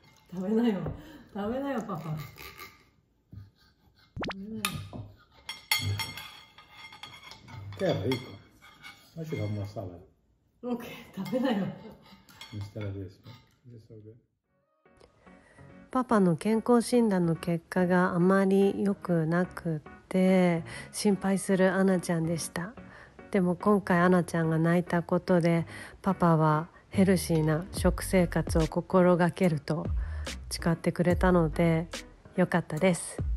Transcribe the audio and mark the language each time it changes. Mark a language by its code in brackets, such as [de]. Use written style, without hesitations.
[ja] 食べなよ、食べなよ、パパ。食べなよ。 [es] Qué rico. [en] I should have more salad. [ja] Okay, 食べなよ。 [en] Instead of this, this is so good. [ja] パパの健康診断の結果があまり良くなくて心配するアナちゃんでした。でも今回アナちゃんが泣いたことでパパはヘルシーな食生活を心がけると誓ってくれたので良かったです。